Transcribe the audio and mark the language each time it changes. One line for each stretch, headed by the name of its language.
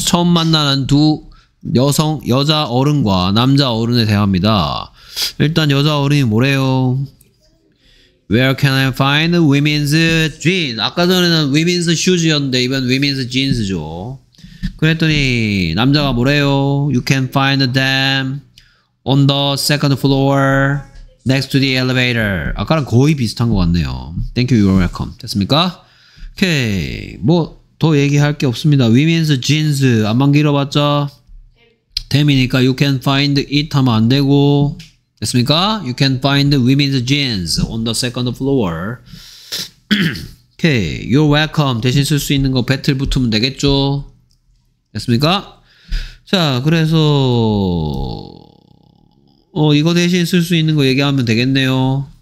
Korean: 처음 만나는 두 여성, 여자 어른과 남자 어른에 대화합니다. 일단 여자 어른이 뭐래요?
English: Where can I find women's jeans?
Korean: 아까 전에는
English: women's shoes였는데 이번 women's jeans죠.
Korean: 그랬더니 남자가 뭐래요?
English: You can find them on the second floor next to the elevator.
Korean: 아까랑 거의 비슷한 것 같네요.
English: Thank you, you're welcome.
Korean: 됐습니까? 오케이. 뭐 더 얘기할 게 없습니다.
English: Women's jeans.
Korean: 안만 길어봤자 템이니까
English: you can find it
Korean: 하면 안 되고 됐습니까?
English: You can find women's jeans on the second floor. Okay. You're welcome.
Korean: 대신 쓸 수 있는 거 배틀 붙으면 되겠죠? 됐습니까? 자, 그래서 이거 대신 쓸 수 있는 거 얘기하면 되겠네요.